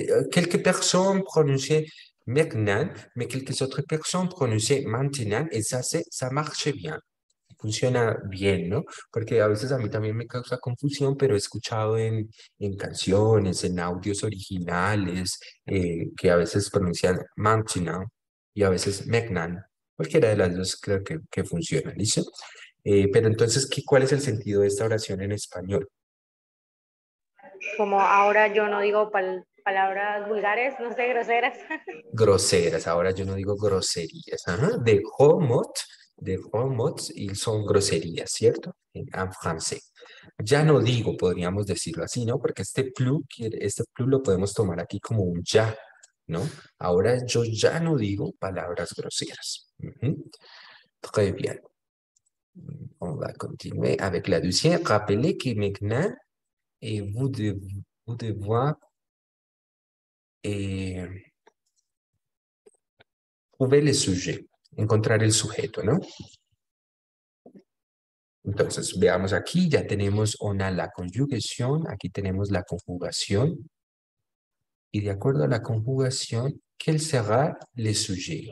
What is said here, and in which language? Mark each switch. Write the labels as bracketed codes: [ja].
[fr] Quelques personnes prononcent maintenant, mais quelques autres personnes prononcent maintenant, et ça marche bien. [es] Funciona bien, ¿no? Porque a veces a mí también me causa confusión, pero he escuchado en canciones, en audios originales, que a veces pronuncian maintenant y a veces maintenant. Cualquiera de las dos creo que funciona, ¿listo? Pero entonces, ¿cuál es el sentido de esta oración en español? Como ahora yo no digo palabras vulgares, no sé, groseras. Groseras, ahora yo no digo groserías. Ajá. De homot. De homots y son groserías, ¿cierto? En francés. Ya no digo, podríamos decirlo así, ¿no? Porque este plus lo podemos tomar aquí como un ya, ¿no? Ahora yo ya no digo palabras groseras. [fr] Très bien. On va continuer avec la deuxième. Rappelez que maintenant, vous devez trouver le sujet. [es] Encontrar el sujeto, ¿no? Entonces, veamos aquí, ya tenemos la conjugación, aquí tenemos la conjugación. Y de acuerdo a la conjugación, ¿quién será [fr] le sujet?